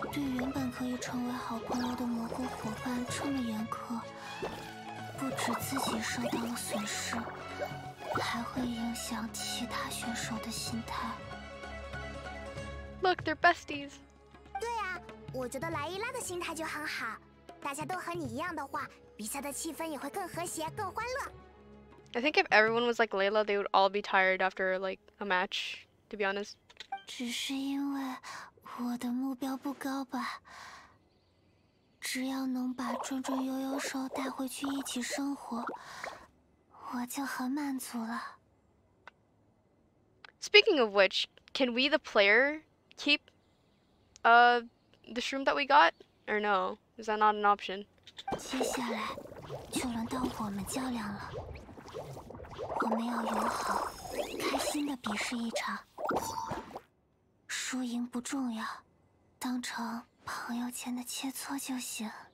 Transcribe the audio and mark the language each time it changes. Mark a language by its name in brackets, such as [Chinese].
[Chinese] 甚至效仿他，海尼耶要是知道了这种事，大概也会苦恼的吧。而且，那个驯兽师对原本可以成为好朋友的蘑菇伙伴这么严苛，不止自己受到了损失，还会影响其他选手的心态。 [English] Look, they're besties. [Chinese] 对啊，我觉得莱伊拉的心态就很好。大家都和你一样的话，比赛的气氛也会更和谐、更欢乐。 [English] I think if everyone was like Layla, they would all be tired after like a match, to be honest. [Chinese] 只是因为我的目标不高吧。只要能把转转悠悠兽带回去一起生活，我就很满足了。 [English] Speaking of which, can we the player keep the shroom that we got, or no? Is that not an option? [Chinese] 接下来就轮到我们较量了。我们要友好、开心的比试一场。输赢不重要，当成朋友间的切磋就行。